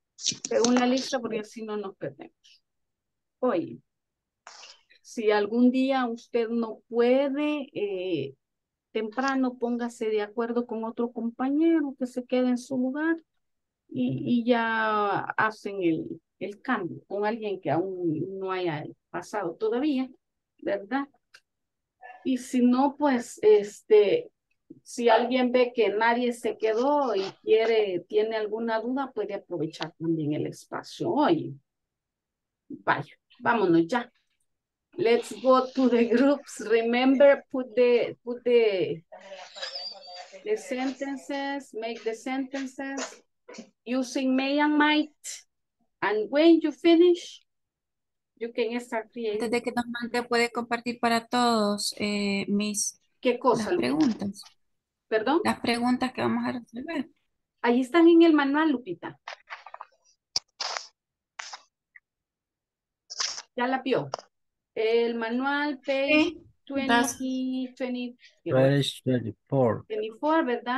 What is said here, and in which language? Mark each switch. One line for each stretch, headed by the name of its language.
Spanish: Según la lista, porque así no nos perdemos. Oye, si algún día usted no puede, temprano póngase de acuerdo con otro compañero que se quede en su lugar y ya hacen el cambio con alguien que aún no haya pasado todavía, ¿verdad? Y si no, pues, si alguien ve que nadie se quedó y tiene alguna duda, puede aprovechar también el espacio hoy. Vaya, vámonos ya.
English: Let's go to the groups. Remember, put the sentences, make the sentences using may and might. And when you finish, you can start creating.
Spanish: Desde que nos mande, puede compartir para todos, Miss. ¿Qué cosa? Las preguntas. ¿Perdón? Las preguntas que vamos a resolver. Ahí están en el manual, Lupita. ¿Ya la vio? El manual page 24. 24, ¿verdad?